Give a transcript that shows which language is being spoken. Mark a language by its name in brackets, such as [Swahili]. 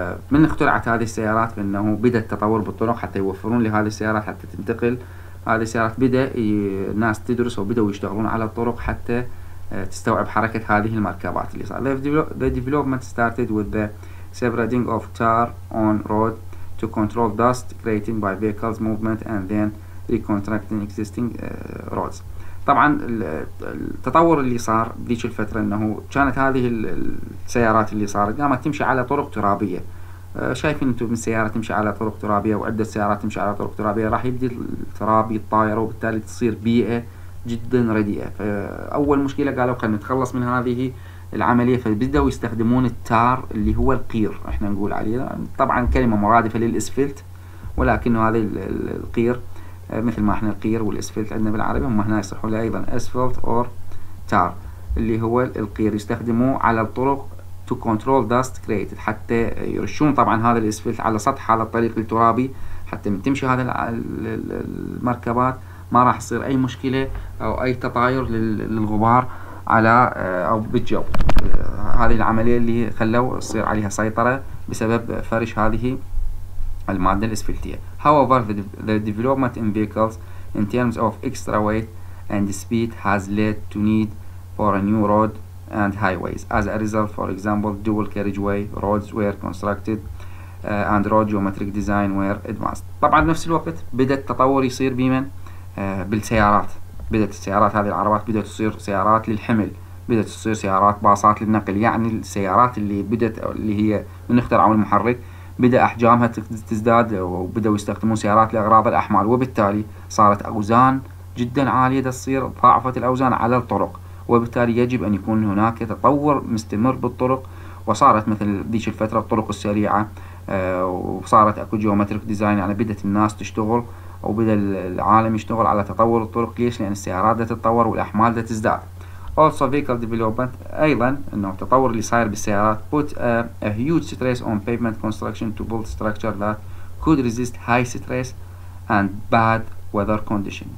[Arabic] من اخترعت هذه السيارات بأنه بدأ التطور بالطرق حتى يوفرون لهذه السيارات حتى تنتقل هذه السيارات بدأ الناس تدرس وبدأوا يشتغلون على الطرق حتى تستوعب حركة هذه المركبات اللي صار. [English] The development started with the spreading of tar on road to control dust created by vehicles movement and then reconstructing existing roads. [Arabic] طبعا التطور اللي صار بذيك الفتره انه كانت هذه السيارات اللي صارت قامت تمشي على طرق ترابيه شايفين انتم من سياره تمشي على طرق ترابيه وعده سيارات تمشي على طرق ترابيه راح يبدي التراب يتطاير وبالتالي تصير بيئه جدا رديئه فاول مشكله قالوا خلينا نتخلص من هذه العمليه فبداوا يستخدمون التار اللي هو القير احنا نقول عليه طبعا كلمه مرادفه للاسفلت ولكن هذا القير مثل ما احنا القير والاسفلت عندنا بالعربي هم هنا يصحوا له ايضا اسفلت اور تار اللي هو القير يستخدموه على الطرق [English] to control dust created [Arabic] حتى يرشون طبعا هذا الاسفلت على سطح هذا الطريق الترابي حتى من تمشي هذا المركبات ما راح يصير اي مشكله او اي تطاير للغبار على او بالجو هذه العمليه اللي خلوا يصير عليها سيطره بسبب فرش هذه المادة الاسفلتية. [English] However, the development in vehicles in terms of extra weight and speed has led to need for a new road and highways. As a result, for example, dual carriageway roads were constructed and road geometric design were advanced. [Arabic] طبعا نفس الوقت بدأ التطور يصير بمن؟ بالسيارات. بدأت السيارات هذه العربات بدأت تصير سيارات للحمل. بدأت تصير سيارات باصات للنقل. يعني السيارات اللي بدأت اللي هي من اخترعوا المحرك بدا احجامها تزداد وبداوا يستخدمون سيارات لاغراض الاحمال وبالتالي صارت اوزان جدا عاليه تصير ضاعفت الاوزان على الطرق وبالتالي يجب ان يكون هناك تطور مستمر بالطرق وصارت مثل ذيك الفتره الطرق السريعه وصارت اكو [English] geometric design [Arabic] يعني بدات الناس تشتغل وبدا العالم يشتغل على تطور الطرق ليش؟ لان السيارات دا تتطور والاحمال دا تزداد. [English] Also, vehicle development, [Arabic] أيضاً إنه التطور اللي صاير بالسيارات [English] put a huge stress on pavement construction to build structure that could resist high stress and bad weather condition.